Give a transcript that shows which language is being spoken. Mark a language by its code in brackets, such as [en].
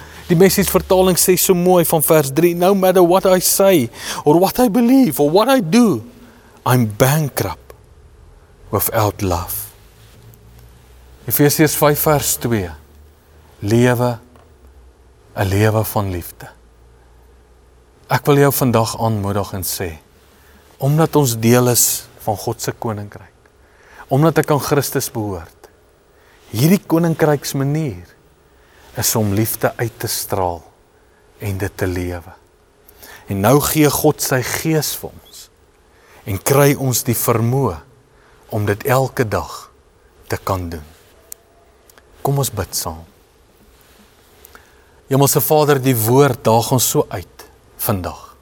[af] Die message vertaling sê so mooi van vers 3, [en] no matter what I say, or what I believe, or what I do, I'm bankrupt without love. [af] Efesiërs 5 vers 2, lewe, 'n lewe van liefde. Ek wil jou vandag aanmoedig en sê, omdat ons deel is van God se koninkryk, omdat ek aan Christus behoort, hierdie koninkryks manier is om liefde uit te straal en dit te lewe. En nou gee God sy gees vir ons en kry ons die vermoë om dit elke dag te kan doen. Kom ons bid saam. Hemelse Vader, die woord daag ons so uit vandag.